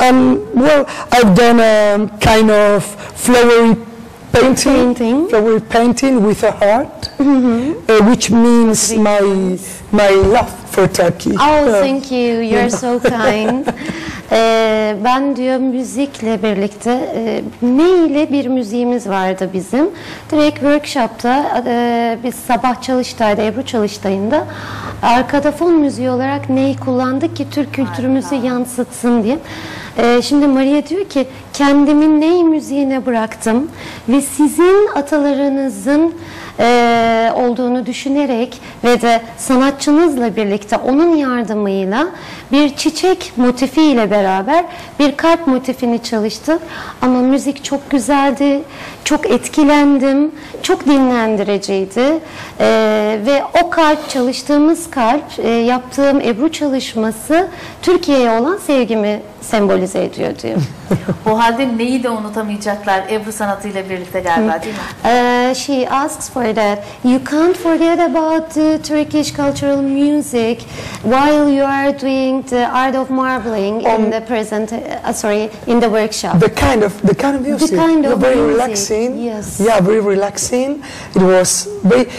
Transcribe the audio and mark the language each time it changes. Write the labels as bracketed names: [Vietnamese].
[English] And well, I've done a kind of flowery painting with a heart, which means my love for Turkey. Oh, thank you. You're so kind. [Turkish] Ben diyor müzikle birlikte neyle bir müziğimiz vardı bizim. Direkt workshop'ta biz sabah çalıştaydı, Ebru çalıştayında. Arkada fon müziği olarak neyi kullandık ki Türk kültürümüzü yansıtsın diye. Şimdi Maria diyor ki kendimi ney müziğine bıraktım ve sizin atalarınızın olduğunu düşünerek ve de sanatçınızla birlikte onun yardımıyla bir çiçek motifiyle beraber bir kalp motifini çalıştık. Ama müzik çok güzeldi, çok etkilendim, çok dinlendiriciydi. Ve o kalp, çalıştığımız kalp, yaptığım Ebru çalışması Türkiye'ye olan sevgimi sembolize ediyor diyor. O halde neyi de unutamayacaklar Ebru sanatıyla birlikte galiba değil mi? [English] She asks for that. You can't forget about the Turkish cultural music while you are doing the art of marbling in the workshop. The kind of music. Very music. Relaxing. Yes. Yeah, very relaxing. It was very.